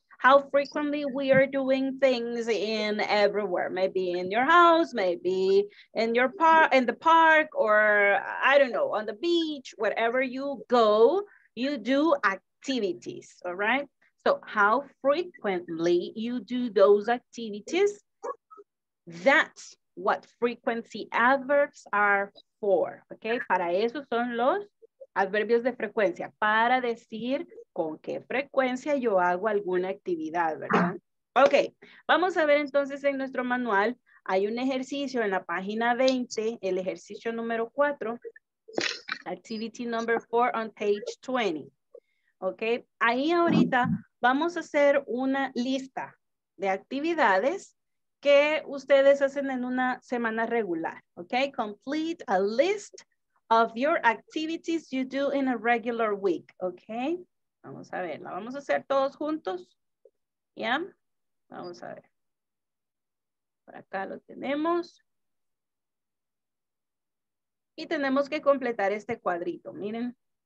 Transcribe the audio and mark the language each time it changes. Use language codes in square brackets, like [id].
[en] How frequently we are doing things in everywhere, maybe in your house, maybe in your park, in the park, or I don't know, on the beach, wherever you go, you do activities, all right? So how frequently you do those activities, that's what frequency adverbs are for, okay? [es] Para eso son los adverbios de frecuencia, para decir con qué frecuencia yo hago alguna actividad, ¿verdad? Ok, vamos a ver entonces en nuestro manual, hay un ejercicio en la página 20, el ejercicio número 4, [en] activity number 4 on page 20. [es] Ok, ahí ahorita vamos a hacer una lista de actividades que ustedes hacen en una semana regular. [en] Ok, complete a list of your activities you do in a regular week. [es] Ok, vamos a ver, la vamos a hacer todos juntos. ¿Ya? Yeah. Vamos a ver. Por acá lo tenemos. Y tenemos que completar este cuadrito, miren.